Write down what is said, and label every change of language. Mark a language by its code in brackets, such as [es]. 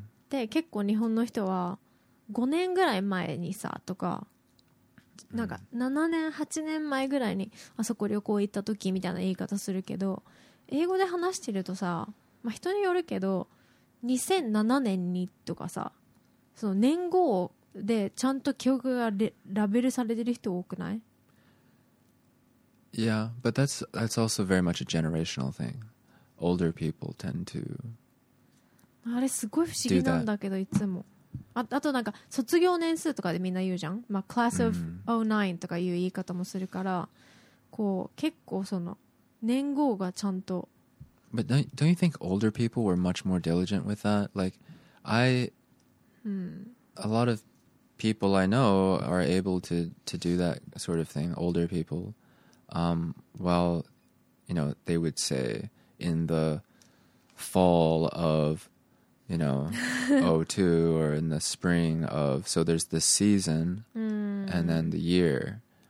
[ja] で結構日本の人は5年ぐらい前にさとか、なんか7年8年前ぐらいにあそこ旅行行った時みたいな言い方するけど、英語で話してるとさ、まあ、人によるけど2007年にとかさ、その年号でちゃんと記憶がラベルされてる人多くない？ [en] Yeah, but that's also very much a generational thing. Older people tend to do that. [ja] あれすごい不思議なんだけど、いつも あとなんか卒業年数とかでみんな言うじゃん、まあ、Class of 09とかいう言い方もするから、こう結構その年号がちゃんと。 [en] But don't you think older people were much more diligent with that? Like I、a lot of people I know are able to do that sort of thing, older people. Well, you know, they would say in the fall of, you know, 02 or in the spring of, so there's the season and then the year.